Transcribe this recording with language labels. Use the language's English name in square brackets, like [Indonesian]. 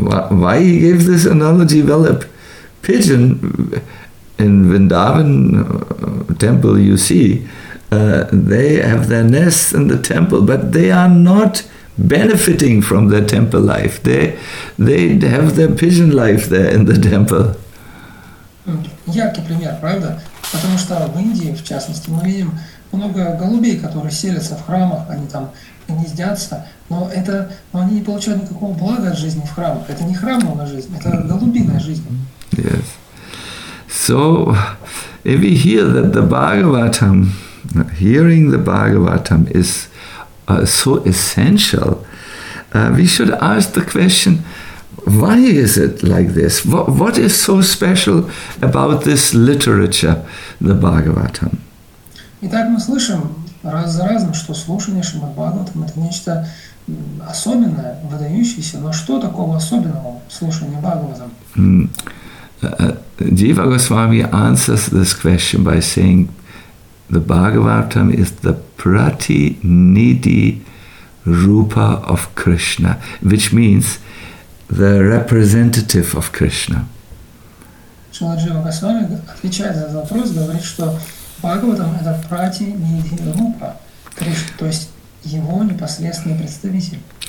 [English] Why he gave this analogy? Well, a pigeon in Vrindavan temple, you see, they have their nests in the temple, but they are not benefiting from their temple life. They have their pigeon life there in the temple. [Russian] Яркий пример, правда? Потому что в Индии, в частности, мы видим много голубей, которые селятся в храмах, они там гнездятся, но они не получают никакого блага от жизни в храмах. Это не храмовая жизнь, это голубиная жизнь. [English] Yes. So, if we hear that the Bhagavatam, hearing the Bhagavatam is so essential, we should ask the question, why is it like this? What is so special about this literature, the Bhagavatam? [Russian] Итак, мы слышим раз за разом, что слушание Шримад Бхагаватам это нечто особенное, выдающееся. Но что такого особенного в слушании Бхагаватам? [English] Дива Госвами answers this question by saying, the Bhagavatam is the pratinidhi rupa of Krishna, which means the representative of Krishna. [Russian] Шрила Джива Госвами отвечает на этот вопрос, говорит, что Бхагаватам – это пратинидхи рупа Кришны, то есть его непосредственный представитель.